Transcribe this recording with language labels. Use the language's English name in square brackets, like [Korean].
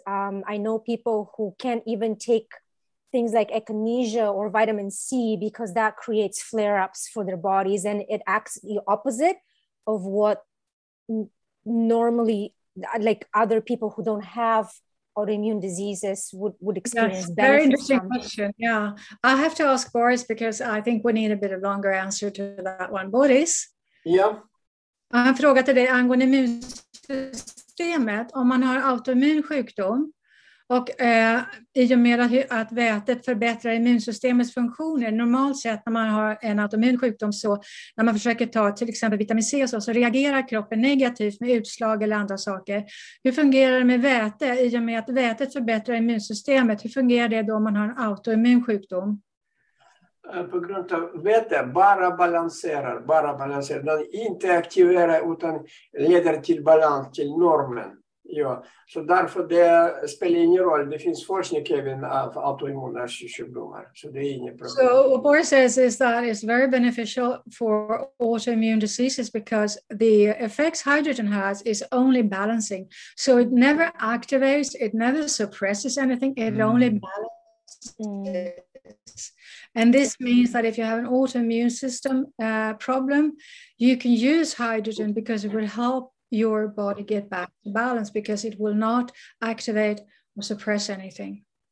[English] I know people who can't even take things like echinacea or vitamin C because that creates flare-ups for their bodies, and it acts the opposite of what normally, like other people who don't have autoimmune diseases would experience. That's very interesting question. Yeah, I have to ask Boris because I think we need a bit of longer answer to that one. Boris? Yeah. [Swedish] Jag har en fråga till dig angående immunsystemet. Om man har autoimmun sjukdom och i och med att vätet förbättrar immunsystemets funktioner, normalt sett när man har en autoimmun sjukdom så när man försöker ta till exempel vitamin C så reagerar kroppen negativt med utslag eller andra saker. Hur fungerar det med väte i och med att vätet förbättrar immunsystemet? Hur fungerar det då om man har en autoimmun sjukdom? På grund av väte bara balanserar. Den inte aktiverar utan leder till balans, till normen. Ja, så därför det spelar ingen roll. Det finns forskning även av autoimmuna sjukdomar, så det är ingen problem. [English] So what Boris says is that it's very beneficial for autoimmune diseases because the effects hydrogen has is only balancing. So it never activates, it never suppresses anything, it only balances. And this means that if you have an autoimmune system problem, you can use hydrogen because it will help your body get back to balance because it will not activate or suppress anything.